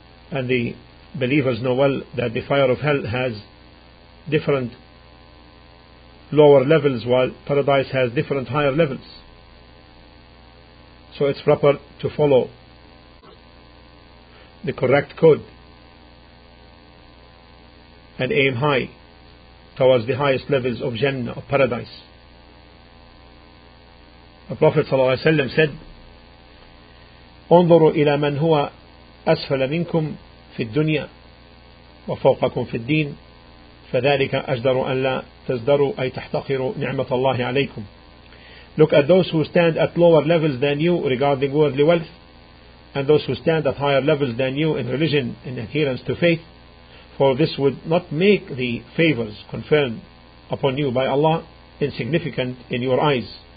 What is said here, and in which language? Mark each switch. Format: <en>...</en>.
<en>And the believers know well that the fire of hell has different lower levels while paradise has different higher levels. So it's proper to follow the correct code and aim high towards the highest levels of Jannah, of paradise. The Prophet ﷺ said,</en> <ar>انظروا إلى من هو أسفل منكم في الدنيا وفوقكم في الدين فذلك أجدر أن لا تزدروا أي تحتقروا نعمة الله عليكم.</ar> <en>Look at those who stand at lower levels than you regarding worldly wealth, and those who stand at higher levels than you in religion, in adherence to faith, for this would not make the favors conferred upon you by Allah insignificant in your eyes.</en>